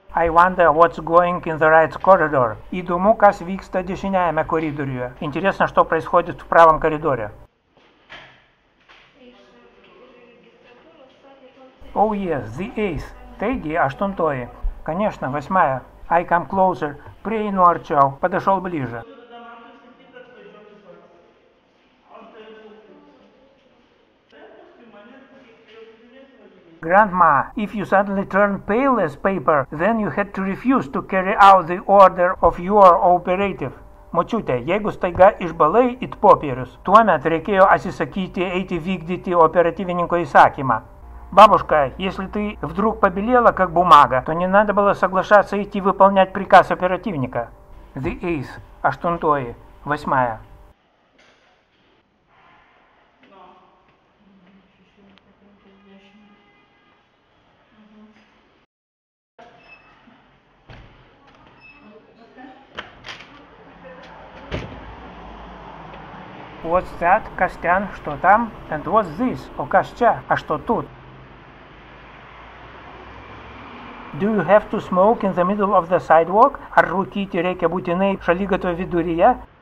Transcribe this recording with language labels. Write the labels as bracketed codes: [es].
[en] I wonder what's going in the right corridor. [ru] И думаю, [lt] kas vyksta dešiniajame koridoriuje. [ru] Интересно, что происходит в правом коридоре. [en] Oh yes, the eighth. [lt] Taigi, aštuntoji. [ru] Конечно, восьмая. [en] I come closer. [lt] Prieinu arčiau. [ru] Подошел ближе. [en] Grandma, if you suddenly turn pale as paper, then you had to refuse to carry out the order of your operative. [lt] Močiute, jeigu staiga išbalai it popierius, tuomet reikėjo atsisakyti eiti vykdyti operatyvininko įsakymą. [ru] Бабушка, если ты вдруг побелела как бумага, то не надо было соглашаться идти выполнять приказ оперативника. [en] The eighth, [lt] aštuntoji, [ru] восьмая. [en] What's that, Костян, [ru] что там? [en] And what's this, [ru] о Костя, а что тут? [en] Do you have to smoke in the middle of the sidewalk? [lt] Ar rūkyti reikia būtinai šaligatvio viduryje?